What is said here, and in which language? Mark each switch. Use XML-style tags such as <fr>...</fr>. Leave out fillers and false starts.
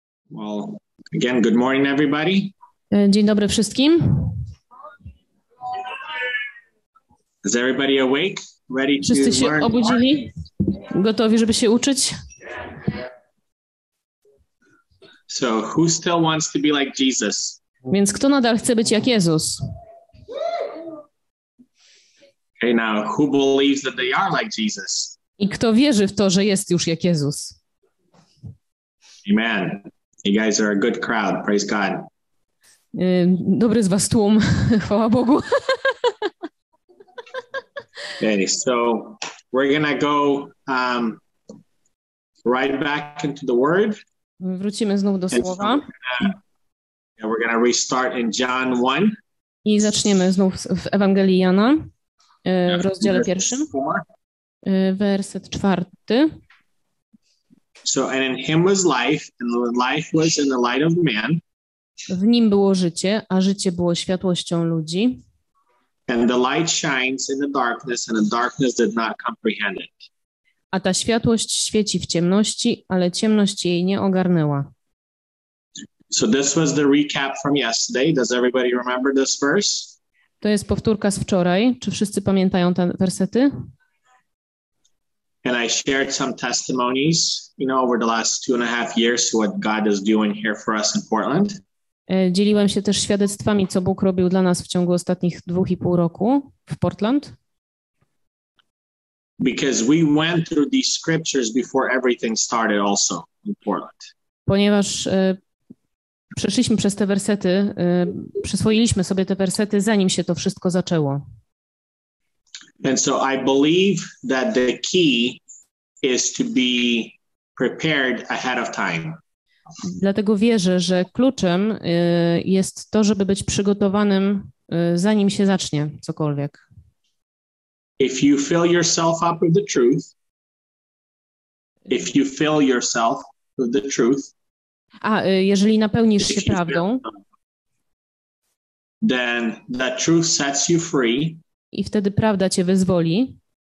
<en>Well, again, good morning, everybody.</en> <pl>Dzień dobry wszystkim.</pl> <en>Is everybody awake? Ready to</en> <pl>wszyscy się</pl> <en>learn</en> <pl>obudzili? More? Gotowi, żeby się uczyć?</pl> <en>So, who still wants to be like Jesus?</en> <pl>Więc kto nadal chce być jak Jezus?</pl> <en>Okay, now, who believes that they are like Jesus?</en> <pl>I kto wierzy w to, że jest już jak Jezus?</pl> <en>Amen. You guys are a good crowd. Praise God.</en> <pl>Dobry z was tłum. Chwała Bogu.</pl> <en>Okay, so we're gonna go right back into the Word.</en> <pl>Wrócimy znów do słowa.</pl> <en>We're gonna restart in John 1.</en> <pl>I zaczniemy znów w Ewangelii Jana w rozdziale pierwszym. Werset czwarty.</pl> <en>So, and in him was life, and the life was in the light of man.</en> <pl>W nim było życie, a życie było światłością ludzi.</pl> <en>And the light shines in the darkness, and the darkness did not comprehend it.</en> <pl>A ta światłość świeci w ciemności, ale ciemność jej nie ogarnęła.</pl> <en>So this was the recap from yesterday. Does everybody remember this verse?</en> <pl>To jest powtórka z wczoraj. Czy wszyscy pamiętają te wersety?</pl> <en>And I shared some testimonies, you know, over the last 2.5 years, what God is doing here for us in Portland.</en> <pl>Dzieliłem się też świadectwami, co Bóg robił dla nas w ciągu ostatnich 2.5 roku w Portland.</pl> <en>Because we went through these scriptures before everything started also in Portland.</en> <pl>Ponieważ przeszliśmy przez te wersety, przyswoiliśmy sobie te wersety, zanim się to wszystko zaczęło.</pl> <en>And so I believe that the key is to be prepared ahead of time.</en> <pl>Dlatego wierzę, że kluczem jest to, żeby być przygotowanym, zanim się zacznie cokolwiek.</pl> <en>If you fill yourself up with the truth, if you fill yourself with the truth,</en> <pl>a jeżeli napełnisz się prawdą,</pl> <en>then the truth sets you free.</en> <pl>I wtedy prawda cię wyzwoli.</pl>